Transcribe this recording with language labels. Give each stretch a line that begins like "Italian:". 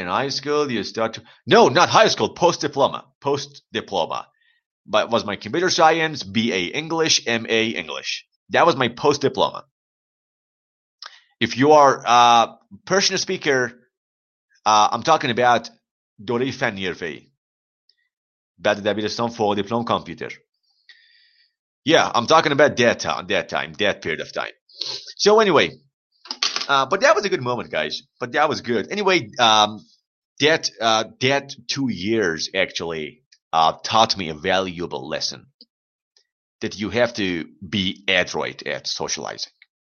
English: In high school, you start to... No, not high school. Post-diploma. Post-diploma. But it was my computer science, BA English, MA English. That was my post-diploma. If you are a personal speaker, I'm talking about...
Persian: دوره فنی حرفه‌ای بعد دبیرستان فوق دیپلم کامپیوتر.
English: Yeah, I'm talking about that time, that period of time. So anyway, but that was a good moment, guys. But that was good. Anyway, that 2 years actually taught me a valuable lesson that you have to be adroit at socializing.